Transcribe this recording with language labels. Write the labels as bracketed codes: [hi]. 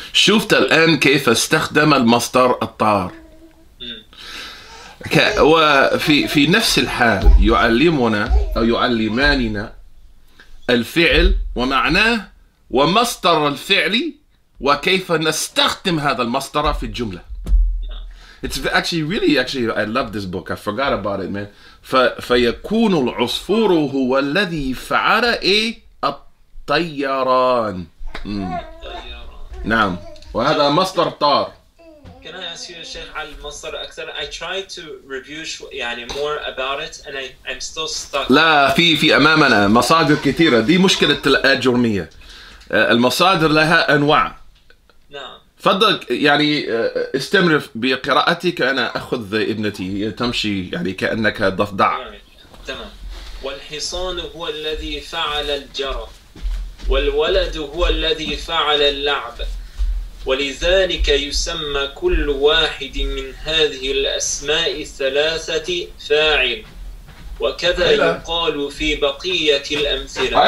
[ar] شفت الآن كيف استخدم المصدر الطار. وفي نفس الحال يعلمنا أو يعلماننا الفعل ومعناه ومصدر الفعل وكيف نستخدم هذا المصدر في الجملة. [en] It's actually I love this book. I forgot about it, man. [ar] فيكون العصفور هو الذي فعل إيه الطيران. نعم. وهذا مصدر طار. [en] Can I ask you, Sheikh, [ar] على المصدر أكثر؟ [en] I tried to review يعني more about it and I'm still stuck. [ar] لا في أمامنا مصادر كثيرة. دي مشكلة الأجرمية. المصادر لها أنواع. نعم. فضل يعني استمر بقراءتك، أنا أخذ ابنتي هي تمشي يعني كأنك ضفدع. تمام. والحصان هو الذي فعل الجرى، والولد هو الذي فعل اللعب، ولذلك يسمى كل واحد من هذه الأسماء الثلاثة فاعل، وكذا يقال في بقية الأمثلة.